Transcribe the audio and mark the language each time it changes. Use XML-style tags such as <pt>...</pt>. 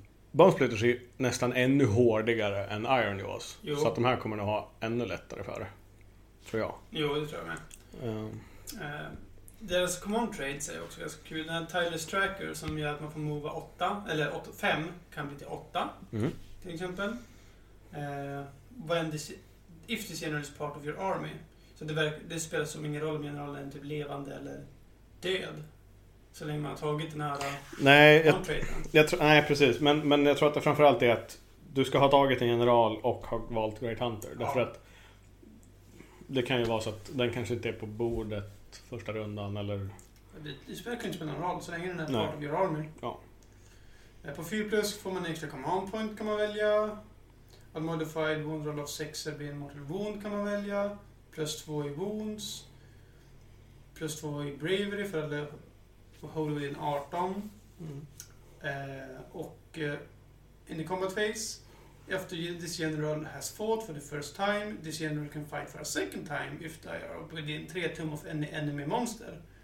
<sv>Bonesplitters är nästan ännu hårdigare än Iron Jaws. Jo. Så att de här kommer att ha ännu lättare för det, tror jag. Jo, det tror jag med. Deras command traits är också ganska kul. Den här Tireless Tracker som gör att man får mova 8, eller 5 kan bli till 8 till exempel.</sv> <en>When this, if this general is part of your army.</en> <sv>Så det spelar som ingen roll om generalen är typ levande eller död. Så länge man har tagit den här Nej, precis. Men jag tror att det framförallt är att du ska ha tagit en general och ha valt Great Hunter. Ja. Därför att det kan ju vara så att den kanske inte är på bordet första rundan eller... Det spelar inte spela någon roll så länge den är</sv> <en>part of your army.</en> <sv>Ja. På 4+ får man en extra command point kan man välja.</sv> <en>Unmodified wound roll of 6</en> <sv>är en mortal wound kan man välja. +2 i wounds. +2 i bravery för att hålla vid en 18. Mm.</sv> <en>Och in the combat phase. After this general has fought for the first time, this general can fight for a second time if they are within 3 tum of any enemy monster.</en>